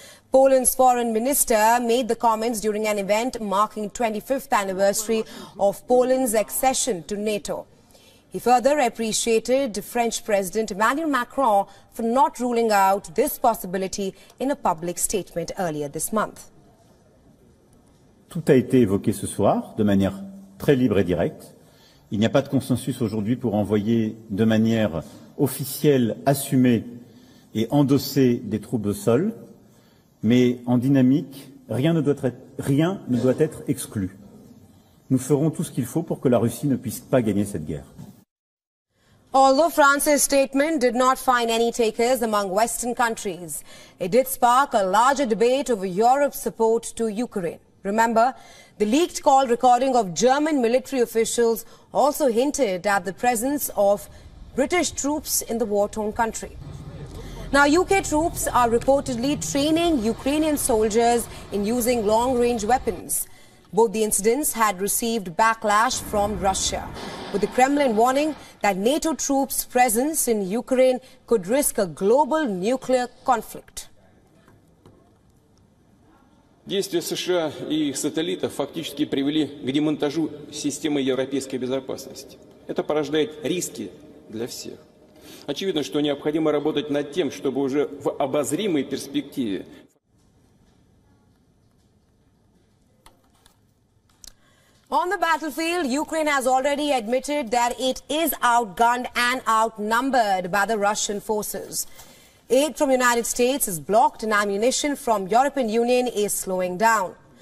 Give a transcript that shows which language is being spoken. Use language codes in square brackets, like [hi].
[en] Poland's foreign minister made the comments during an event marking 25th anniversary of Poland's accession to NATO. He further appreciated French President Emmanuel Macron for not ruling out this possibility in a public statement earlier this month. [fr] Tout a été évoqué ce soir de manière très libre et directe. Il n'y a pas de consensus aujourd'hui pour envoyer de manière officielle, assumée et endossée des troupes au sol. Mais en dynamique, rien ne doit être exclu. Nous ferons tout ce qu'il faut pour que la Russie ne puisse pas gagner cette guerre. [en] Although France's statement did not find any takers among Western countries, it did spark a larger debate over Europe's support to Ukraine. Remember, the leaked call recording of German military officials also hinted at the presence of British troops in the war-torn country. Now, UK troops are reportedly training Ukrainian soldiers in using long-range weapons. Both the incidents had received backlash from Russia, with the Kremlin warning that NATO troops' presence in Ukraine could risk a global nuclear conflict. [ru] Действия США и их сателлитов фактически привели к демонтажу системы европейской безопасности. Это порождает риски для всех. Очевидно, что необходимо работать над тем, чтобы уже в обозримой перспективе. [en] On the battlefield, Ukraine has already admitted that it is outgunned and outnumbered by the Russian forces. Aid from the United States is blocked and ammunition from the European Union is slowing down.